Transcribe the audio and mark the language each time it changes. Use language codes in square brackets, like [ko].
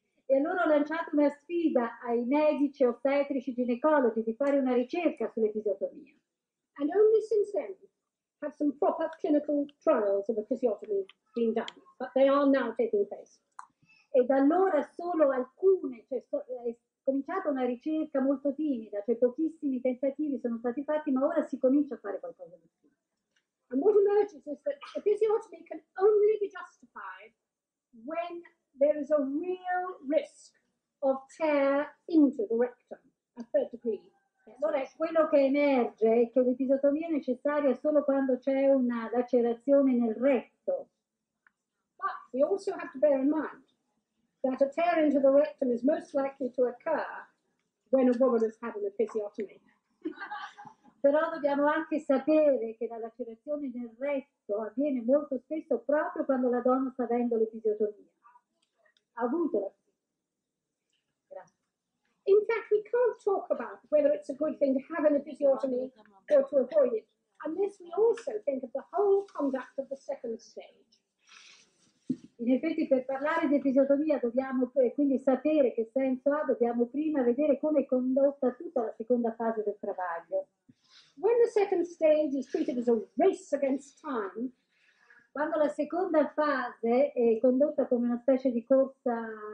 [it] E allora ho lanciato una sfida ai medici ostetrici ginecologi di fare una ricerca sull'episiotomia. [en] And only since then have some proper clinical trials of episiotomy been done. but they are now taking place. [it] E da allora solo alcune, cioè è cominciata una ricerca molto timida, cioè pochissimi tentativi sono stati fatti, ma ora si comincia a fare qualcosa di più. [en] And what emerges is that episiotomy can only be justified when there is a real risk of tear into the rectum, a third degree. [it] Allora, quello che emerge è che l'episiotomia è necessaria solo quando c'è una lacerazione nel retto. [en] But we also have to bear in mind that a tear into the rectum is most likely to occur when a woman has had an episiotomy. [it] Però dobbiamo anche sapere che la lacerazione nel retto avviene molto spesso proprio quando la donna sta avendo l'episiotomia. Ha avuto la. [en] In fact, we can't talk about whether it's a good thing to have an episiotomy or to avoid it, unless we also think of the whole conduct of the second stage. [it] In effetti, per parlare di episiotomia, dobbiamo quindi sapere che senso ha, dobbiamo prima vedere come è condotta tutta la seconda fase del travaglio. [en] When the second stage is treated as a race against time, [it] quando la seconda fase è condotta come una specie di corsa.